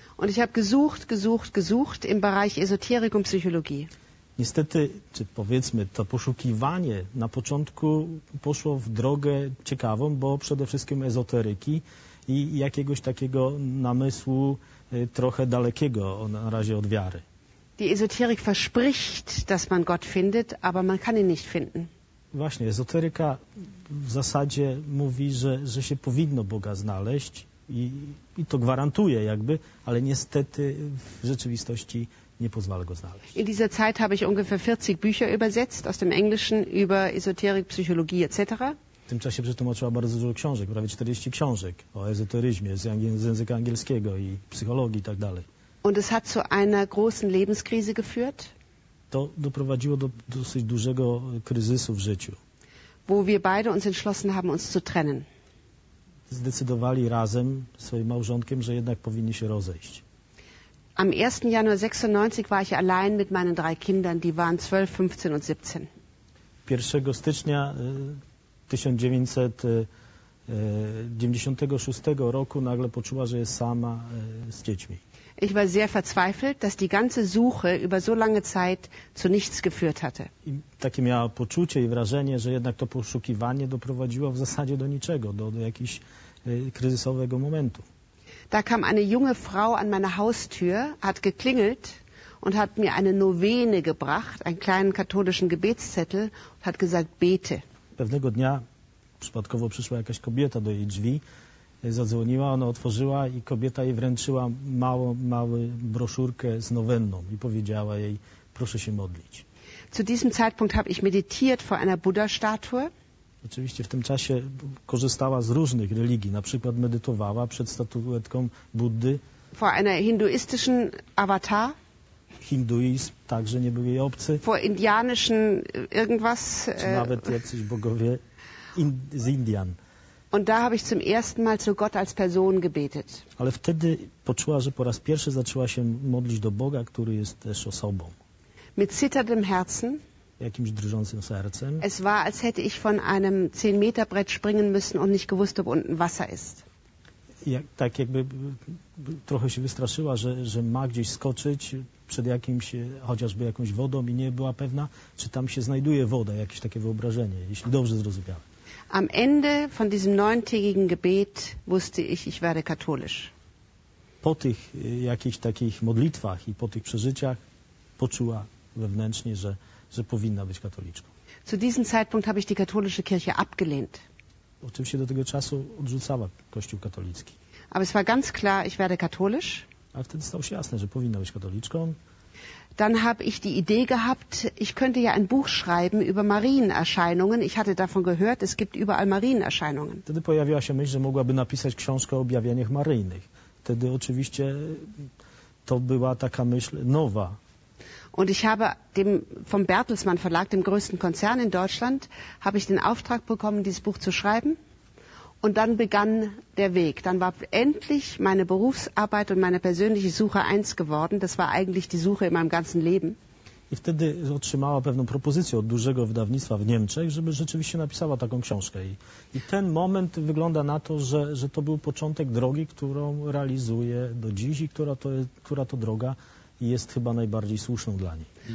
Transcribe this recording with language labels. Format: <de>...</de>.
<de>Und ich habe gesucht im Bereich Esoterik und Psychologie.</de> <pl>Niestety, czy powiedzmy, to poszukiwanie na początku poszło w drogę ciekawą, bo przede wszystkim ezoteryki i jakiegoś takiego namysłu trochę dalekiego na razie od wiary.</pl> <de>Die Esoterik verspricht, dass man Gott findet, aber man kann ihn nicht finden.</de> <pl>Właśnie, ezoteryka w zasadzie mówi, że się powinno Boga znaleźć i to gwarantuje jakby, ale niestety w rzeczywistości nie pozwala go znaleźć.</pl> <de>In dieser Zeit habe ich ungefähr 40 Bücher übersetzt aus dem Englischen über Esoterik, Psychologie etc.</de> <pl>W tym czasie przetłumaczyła bardzo dużo książek, prawie 40 książek o ezoteryzmie z języka angielskiego i psychologii i tak dalej.</pl> <de>Und es hat zu einer großen Lebenskrise geführt.</de> <pl>To doprowadziło do dosyć dużego kryzysu w życiu.</pl> <de>Wo wir beide uns entschlossen haben, uns zu trennen.</de> <pl>Zdecydowali razem z swoim małżonkiem, że jednak powinni się rozejść.</pl> <de>Am 1. Januar 96 war ich allein mit meinen drei Kindern, die waren 12, 15 und 17.</de> <pl>1. stycznia 1996 roku nagle poczuła, że jest sama z dziećmi.</pl> <de>Ich war sehr verzweifelt, dass die ganze Suche über so lange Zeit zu nichts geführt hatte.</de> <pl>I takie miała poczucie i wrażenie, że jednak to poszukiwanie doprowadziło w zasadzie do niczego, do jakiegoś kryzysowego momentu.</pl> <de>Da kam eine junge Frau an meine Haustür, hat geklingelt und hat mir eine Novene gebracht, einen kleinen katholischen Gebetszettel, und hat gesagt, bete.</de> <pl>Pewnego dnia przypadkowo przyszła jakaś kobieta do jej drzwi, zadzwoniła, ona otworzyła i kobieta jej wręczyła małą broszurkę z nowenną i powiedziała jej, proszę się modlić.</pl> <de>Zu diesem Zeitpunkt habe ich meditiert vor einer Buddha-Statue.</de> <pl>Oczywiście w tym czasie korzystała z różnych religii, na przykład medytowała przed statuetką Buddy.</pl> <de>Vor einer hinduistischen Avatar.</de> <pl>Hinduizm także nie był jej obcy.</pl> <de>Vor indianischen irgendwas.</de> <pl>Czy nawet jacyś bogowie z Indian.</pl> <de>Und da habe ich zum ersten Mal zu Gott als Person gebetet.</de> <pl>Ale wtedy poczuła, że po raz pierwszy zaczęła się modlić do Boga, który jest też osobą.</pl> <de>Mit zitterndem Herzen.</de> <pl>Jakimś drżącym sercem.</pl> <de>Es war, als hätte ich von einem 10-Meter-Brett springen müssen und nicht gewusst, ob unten Wasser ist.</de> <pl>Tak jakby trochę się wystraszyła, że ma gdzieś skoczyć przed jakimś, chociażby jakąś wodą i nie była pewna, czy tam się znajduje woda, jakieś takie wyobrażenie, jeśli dobrze zrozumiałem.</pl> <de>Am Ende von diesem neuntägigen Gebet wusste ich werde katholisch.</de> <pl>Po tych jakichś takich modlitwach i po tych przeżyciach poczuła wewnętrznie, że powinna być katoliczką.</pl> <de>Zu diesem Zeitpunkt habe ich die katholische Kirche abgelehnt.</de> <pl>oczywiście do tego czasu odrzucała Kościół katolicki.</pl> <de>Aber es war ganz klar, ich werde katholisch.</de> <pl>Ale wtedy stało się jasne, że powinna być katoliczką.</pl> <de>Dann habe ich die Idee gehabt, ich könnte ja ein Buch schreiben über Marienerscheinungen. Ich hatte davon gehört, es gibt überall Marienerscheinungen.</de> <pl>Wtedy pojawiła się myśl, że mogłaby napisać książkę o objawieniach maryjnych. Wtedy oczywiście to była taka myśl nowa.</pl> <de>Und ich habe dem vom Bertelsmann Verlag, dem größten Konzern in Deutschland, habe ich den Auftrag bekommen, dieses Buch zu schreiben. Und dann begann der Weg. Dann war endlich meine Berufsarbeit und meine persönliche Suche eins geworden. Das war eigentlich die Suche in meinem ganzen Leben.</de> <pl>I wtedy otrzymała pewną propozycję od dużego wydawnictwa w Niemczech, żeby rzeczywiście napisała taką książkę. I ten moment wygląda na to, że to był początek drogi, którą realizuje do dziś i która to droga jest chyba najbardziej słuszną dla niej.</pl>